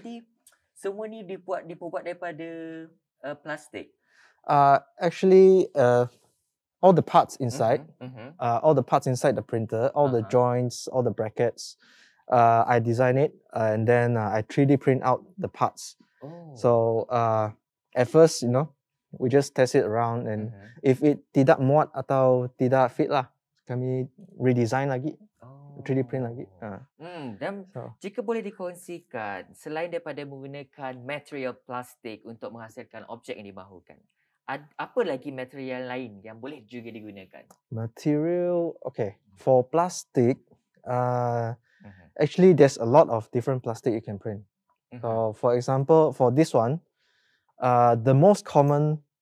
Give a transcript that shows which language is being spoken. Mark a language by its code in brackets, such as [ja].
[ms] Jadi semua ni diperbuat daripada plastik. [en] All the parts inside, all the parts inside the printer, all the joints, all the brackets, I design it and then I 3D print out the parts. Oh. So at first, we just test it around and if it [ms] tidak muat atau tidak fit lah, kami redesign lagi. 3D print lagi. Dan jika boleh dikongsikan, selain daripada menggunakan material plastik untuk menghasilkan objek yang dimahukan, apa lagi material lain yang boleh juga digunakan? [en] Material, okay. For plastik, actually there's a lot of different plastic you can print. So for example, for this one, the most common